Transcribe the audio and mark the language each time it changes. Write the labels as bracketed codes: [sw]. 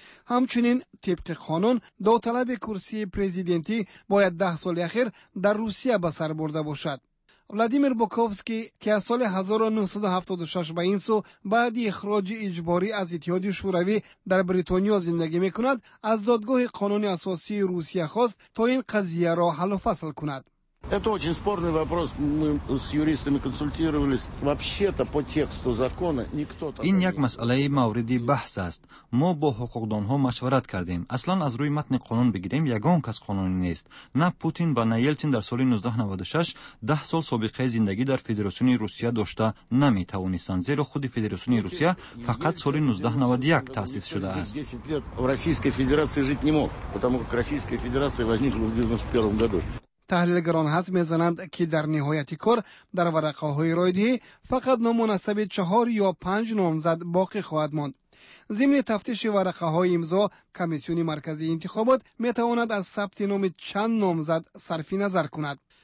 [fa] همچنین طبق قانون داوطلب کرسی پریزیدنتی باید 10 سال اخیر در روسیه به سر برده باشد. ولادیمیر بوکوفسکی که از سال 1976 به این سو بعد اخراج اجباری از اتحاد شوروی در بریتانیا زندگی میکند، از دادگاه قانون اساسی روسیه خواست تا این قضیه را حل و فصل کند. [ru] Это очень спорный вопрос. Мы с юристами консультировались. Вообще-то по тексту закона никто там. [tg] Ин як масъалаи мавриди баҳс аст. Мо бо ҳуқуқдонҳо машварат кардем. Аслан аз рӯи матни қонун бигирем, ягон кас қонуни нест. На Путин ва на Елцин дар соли 1996 10 сол собиқаи зиндагӣ дар Федератсиони Русия дошта наметавонистанд, зеро худи Федератсиони Русия фақат соли 1991 таъсис шудааст. [ru] 10 лет в Российской Федерации жить не мог, потому как Российская Федерация возникла в 91 году. [fa] تحلیلگران حد می‌زنند که در نهایت کار در ورقه‌های رایدهی فقط نامناسب 4 یا 5 نامزد باقی خواهد ماند. ضمن تفتیش ورقه‌های امضا، کمیسیون مرکزی انتخابات می‌تواند از ثبت نام چند نامزد صرف نظر کند.